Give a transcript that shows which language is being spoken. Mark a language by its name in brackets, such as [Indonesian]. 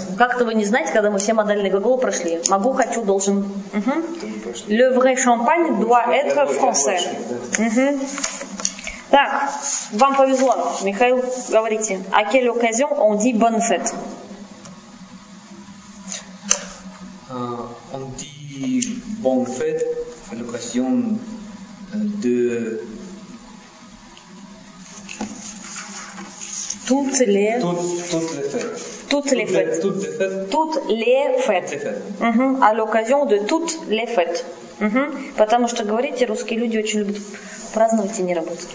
[Russian] Как-то вы не знаете, когда мы все модальные глаголы прошли. Могу, хочу, должен. [French] Le vrai champagne doit être français. [Russian] Так, вам повезло, Михаил, говорите. [French] À quelle occasion on dit bonne fête? On dit bonne fête à l'occasion de... Toutes les fêtes. À l'occasion de toutes les fêtes. [Russian] Потому что, говорите, русские люди очень любят праздновать и не работать.